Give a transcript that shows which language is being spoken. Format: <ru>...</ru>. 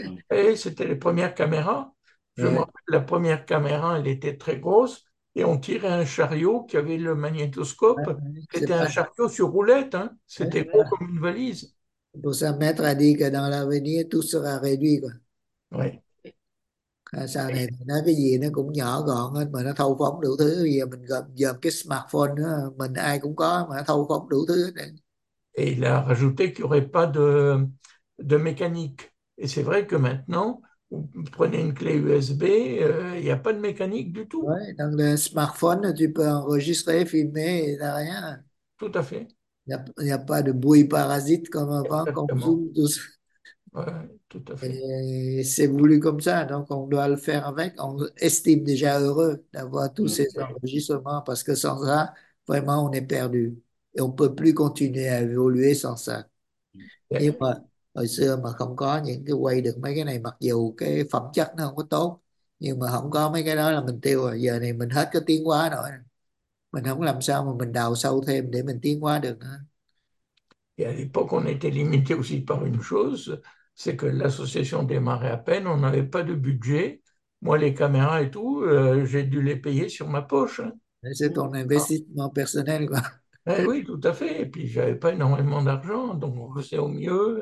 <fr>Et c'était les premières caméras. Je me rappelle, la première caméra, elle était très grosse. Et on tirait un chariot qui avait le magnétoscope, qui C'est était un pas... chariot sur roulette, hein. C'était gros comme une valise. Pour ça, maître a dit que dans l'avenir, tout sera réduit, quoi. Oui.</fr> <vi>Sau này nói cái gì nó cũng nhỏ gọn hết mà nó thâu phóng đủ thứ. Bây giờ mình gồm cái smartphone đó, mình ai cũng có mà nó thâu phóng đủ thứ hết.</vi> <fr>Et il a rajouté qu'il n'y aurait pas de mécanique. Et c'est vrai que maintenant, vous prenez une clé USB, il n'y a pas de mécanique du Ouais, tout. dans le smartphone, tu peux enregistrer, filmer, t'as rien. Tout à fait. Il n'y a pas de bruit parasite comme avant, comme Exactement. zoom, tout ça. Ouais, tout à fait. Et c'est voulu comme ça, donc on doit le faire avec. On estime déjà heureux d'avoir tous ces enregistrements parce que sans ça, vraiment, on est perdu et on ne peut plus continuer à évoluer sans ça.</fr> <vi>Nhưng mà hồi xưa mà không có những cái quay được mấy cái này, mặc dù cái phẩm chất nó không có tốt, nhưng mà không có mấy cái đó là mình tiêu rồi. Giờ này mình hết cái tiến hóa rồi, mình không làm sao mà mình đào sâu thêm để mình tiến hóa được nữa.</vi> <fr>Et à l'époque, on était limité aussi par une chose, c'est que l'association démarrait à peine, on n'avait pas de budget. Moi, les caméras et tout, j'ai dû les payer sur ma poche. Hein. C'est ton investissement personnel, quoi. Eh oui, tout à fait. Et puis, je n'avais pas énormément d'argent, donc c'est au mieux.</fr>